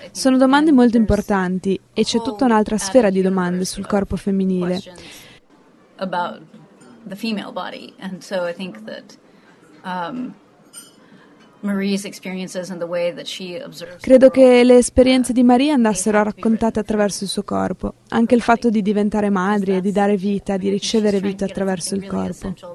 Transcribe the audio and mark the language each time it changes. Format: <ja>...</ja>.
<it>Sono domande molto importanti e c'è tutta un'altra sfera di domande sul corpo femminile.</it> <en>About the female body, and so I think that Marie's experiences and the way that she observes.</en> <it>Credo che le esperienze di Marie andassero raccontate attraverso il suo corpo, anche il fatto di diventare madre e di dare vita, di ricevere vita attraverso il corpo.</it>